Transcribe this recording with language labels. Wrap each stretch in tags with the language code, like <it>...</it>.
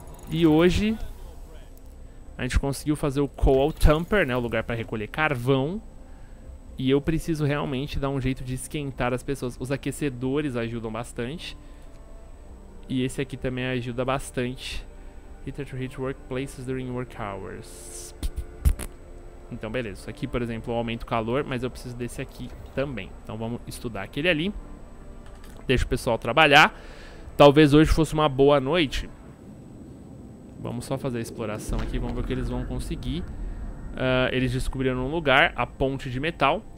<pt>E hoje a gente conseguiu fazer o Coal Tamper, né, o lugar para recolher carvão. E eu preciso realmente dar um jeito de esquentar as pessoas. Os aquecedores ajudam bastante. E esse aqui também ajuda bastante.</pt> <en>Heater to heat workplaces during work hours.</en> <pt>Então beleza, isso aqui por exemplo aumenta o calor, mas eu preciso desse aqui também. Então vamos estudar aquele ali. Deixa o pessoal trabalhar. Talvez hoje fosse uma boa noite. Vamos só fazer a exploração aqui. Vamos ver o que eles vão conseguir. Eles descobriram um lugar, a ponte de metal.</pt>